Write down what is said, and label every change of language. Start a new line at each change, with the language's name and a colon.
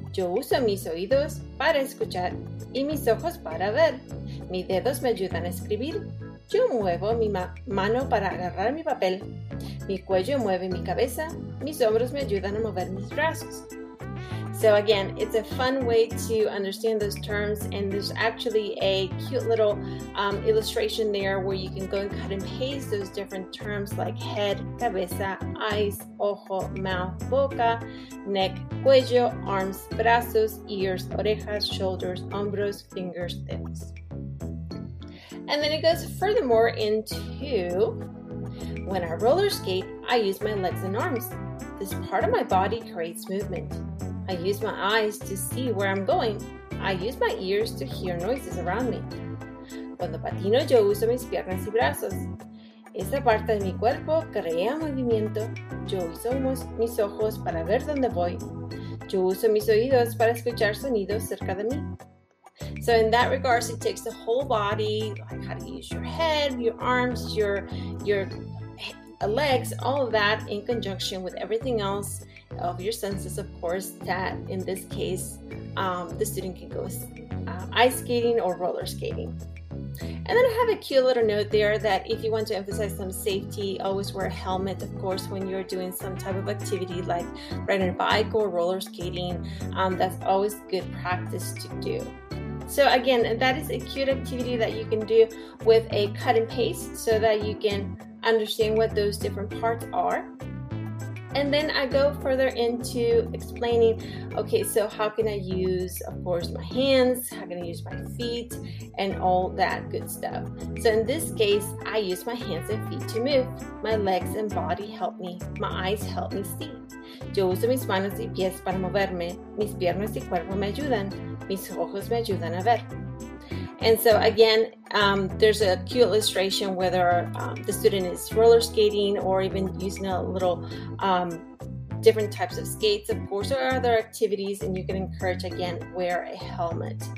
Spanish: Yo uso mis oídos para escuchar y mis ojos para ver. Mis dedos me ayudan a escribir. Yo muevo mi mano para agarrar mi papel. Mi cuello mueve mi cabeza. Mis hombros me ayudan a mover mis brazos.
English: So again, it's a fun way to understand those terms, and there's actually a cute little illustration there where you can go and cut and paste those different terms like head, cabeza, eyes, ojo, mouth, boca, neck, cuello, arms, brazos, ears, orejas, shoulders, hombros, fingers, dedos. And then it goes furthermore into, when I roller skate, I use my legs and arms. This part of my body creates movement. I use my eyes to see where I'm going. I use my ears to hear noises around me.
Spanish: Cuando patino, yo uso mis piernas y brazos. Esta parte de mi cuerpo crea movimiento. Yo uso mis ojos para ver dónde voy. Yo uso mis oídos para escuchar sonidos cerca de mí.
English: So in that regards, it takes the whole body, like how to use your head, your arms, your legs, all of that in conjunction with everything else of your senses, of course, that in this case, the student can go ice skating or roller skating. And then I have a cute little note there that if you want to emphasize some safety, always wear a helmet, of course, when you're doing some type of activity like riding a bike or roller skating. That's always good practice to do. So again, that is a cute activity that you can do with a cut and paste so that you can understand what those different parts are. And then I go further into explaining, okay, so how can I use, of course, my hands, how can I use my feet, and all that good stuff. So in this case, I use my hands and feet to move. My legs and body help me. My eyes help me see.
Spanish: Yo uso mis manos y pies para moverme. Mis piernas y cuerpo me ayudan. Mis ojos me ayudan a ver.
English: And so again, there's a cute illustration whether the student is roller skating or even using a little different types of skates, of course, or other activities, and you can encourage, again, wear a helmet.